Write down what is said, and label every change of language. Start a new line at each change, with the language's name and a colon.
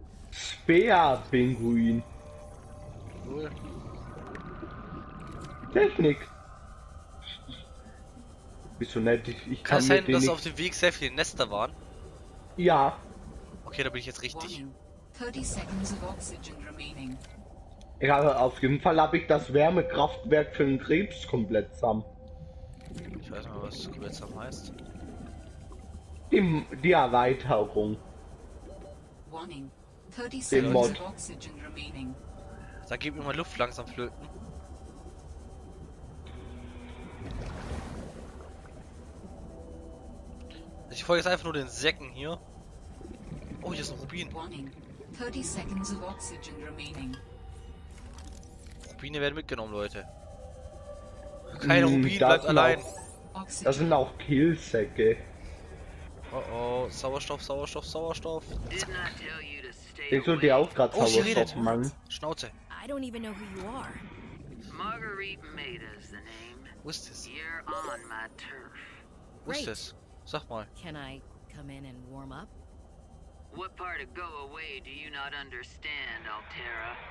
German: Speerpinguin. Null. Technik. Bist du nett? Ich kann sein, dass auf dem Weg sehr viele Nester waren. Ja. Okay, da bin ich jetzt richtig.
English: 30 seconds of oxygen remaining.
German: Ja, auf jeden Fall habe ich das Wärmekraftwerk für den Krebs komplett zusammen. Ich weiß mal, was komplett zusammen heißt. Die Erweiterung. Warning.
English: 30 seconds of oxygen remaining.
German: Da gib mir mal Luft langsam flöten. Ich folge jetzt einfach nur den Säcken hier. Oh, hier ist ein Rubin. Warning.
English: 30 seconds of oxygen remaining.
German: Rubine werden mitgenommen, Leute. Kein Rubin bleibt allein. Das sind auch Killsäcke. Oh oh, Sauerstoff. Denkst du dir auch gerade Sauerstoff, Mann? Schnauze.
English: I don't even know who you are. Marguerite Maida's the name.
German: Was ist das?
English: You're on my turf.
German: Was ist das? Sag mal.
English: Can I come in and warm up? What part of go away do you not understand, Altera?